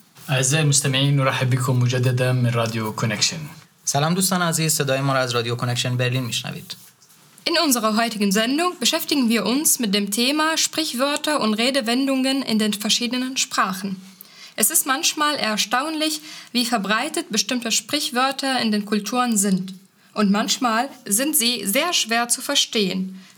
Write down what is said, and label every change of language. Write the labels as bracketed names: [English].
[Arabic] أعزائي المستمعين نرحب بكم مجددا من راديو كونكشن. [Persian] سلام دوستان عزيز صدای ما را از راديو كونكشن برلين مشنوید. [German] In unserer heutigen Sendung beschäftigen wir uns mit dem Thema Sprichwörter und Redewendungen in den verschiedenen Sprachen. Es ist manchmal erstaunlich, wie verbreitet bestimmte Sprichwörter in den Kulturen sind. Und manchmal sind sie sehr schwer zu verstehen.